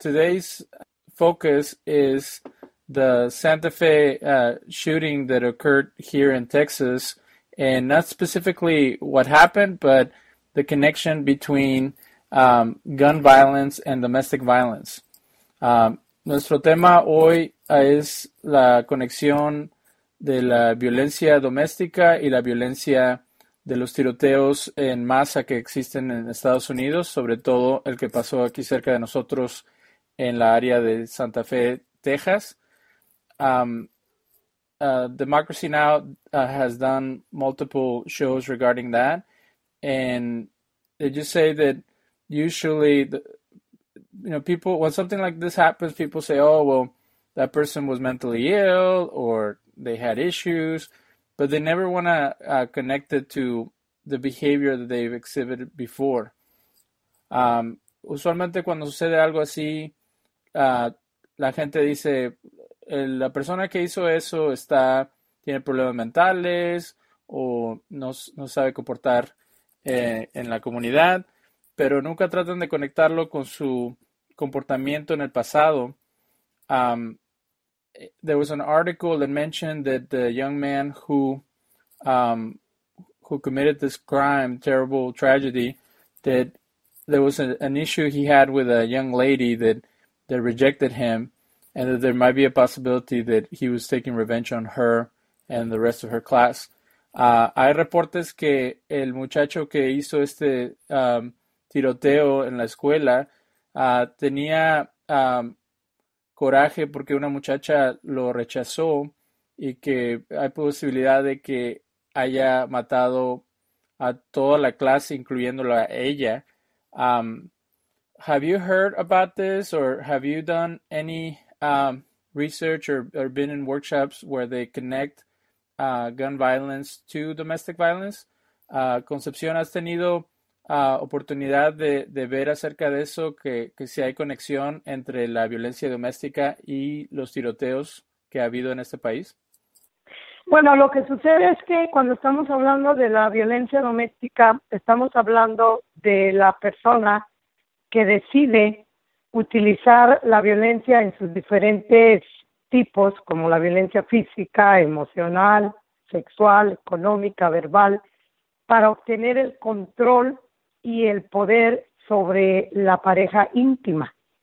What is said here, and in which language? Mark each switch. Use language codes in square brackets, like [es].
[en] Today's focus is the Santa Fe shooting that occurred here in Texas, and not specifically what happened, but the connection between gun violence and domestic violence. [es] Nuestro tema hoy es la conexión de la violencia doméstica y la violencia de los tiroteos en masa que existen en Estados Unidos, sobre todo el que pasó aquí cerca de nosotros en la área de Santa Fe, Texas. [en] Democracy Now! Has done multiple shows regarding that, and they just say that usually, people, when something like this happens, people say, oh, well, that person was mentally ill or they had issues, but they never want to connect it to the behavior that they've exhibited before. [es] Usualmente cuando sucede algo así, la gente dice, la persona que hizo eso tiene problemas mentales o no sabe comportar en la comunidad. Pero nunca tratan de conectarlo con su comportamiento en el pasado. [en] There was an article that mentioned that the young man who committed this crime, terrible tragedy, that there was an issue he had with a young lady that that rejected him, and that there might be a possibility that he was taking revenge on her and the rest of her class. [es] Hay reportes que el muchacho que hizo este tiroteo en la escuela tenía coraje porque una muchacha lo rechazó y que hay posibilidad de que haya matado a toda la clase, incluyéndola a ella. [en] Have you heard about this, or have you done any research or been in workshops where they connect gun violence to domestic violence? [es] Concepción, ¿has tenido oportunidad de ver acerca de eso, que si hay conexión entre la violencia doméstica y los tiroteos que ha habido en este país? Bueno, lo que sucede es que cuando estamos hablando de la violencia doméstica, estamos hablando de la persona que decide utilizar la violencia en sus diferentes tipos, como la violencia física, emocional, sexual, económica, verbal, para obtener el control y el poder sobre la pareja íntima.